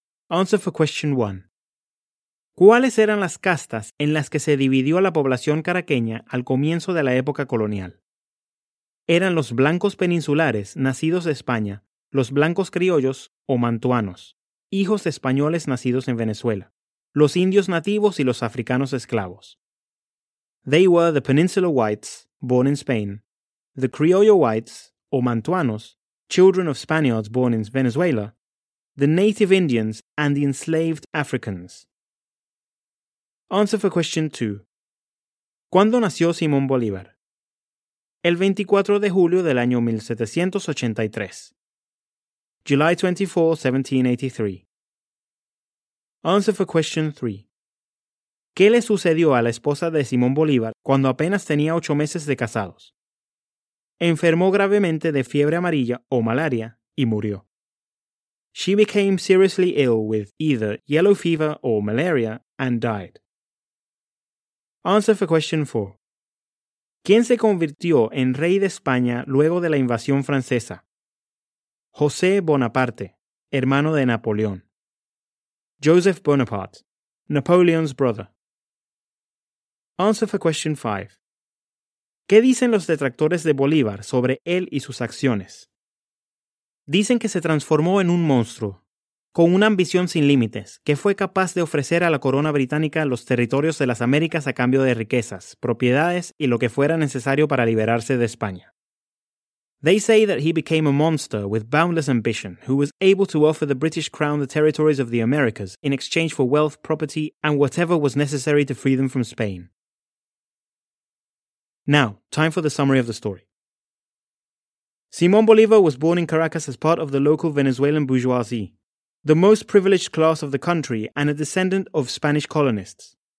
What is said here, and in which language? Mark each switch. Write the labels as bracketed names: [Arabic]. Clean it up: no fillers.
[Spanish] Answer for question 1. ¿Cuáles eran las castas en las que se dividió la población caraqueña al comienzo de la época colonial? Eran los blancos peninsulares nacidos de España, los blancos criollos o mantuanos, hijos de españoles nacidos en Venezuela, los indios nativos y los africanos esclavos. [English] They were the peninsular whites, born in Spain, the criollo whites, o mantuanos, children of Spaniards born in Venezuela, the native Indians and the enslaved Africans. Answer for question 2. ¿Cuándo nació Simón Bolívar? [Spanish] El 24 de julio del año 1783. [English] July 24, 1783. Answer for question 3. [Spanish] ¿Qué le sucedió a la esposa de Simón Bolívar cuando apenas tenía 8 meses de casados? Enfermó gravemente de fiebre amarilla o malaria y murió. [English] She became seriously ill with either yellow fever or malaria and died. Answer for question 4. [Spanish] ¿Quién se convirtió en rey de España luego de la invasión francesa? José Bonaparte, hermano de Napoleón. Joseph Bonaparte, Napoleon's brother. Answer for question 5. ¿Qué dicen los detractores de Bolívar sobre él y sus acciones? Dicen que se transformó en un monstruo, con una ambición sin límites, que fue capaz de ofrecer a la corona británica los territorios de las Américas a cambio de riquezas, propiedades y lo que fuera necesario para liberarse de España. [English] They say that he became a monster with boundless ambition, who was able to offer the British crown the territories of the Americas in exchange for wealth, property, and whatever was necessary to free them from Spain. Now, time for the summary of the story. Simón Bolívar was born in Caracas as part of the local Venezuelan bourgeoisie, the most privileged class of the country and a descendant of Spanish colonists.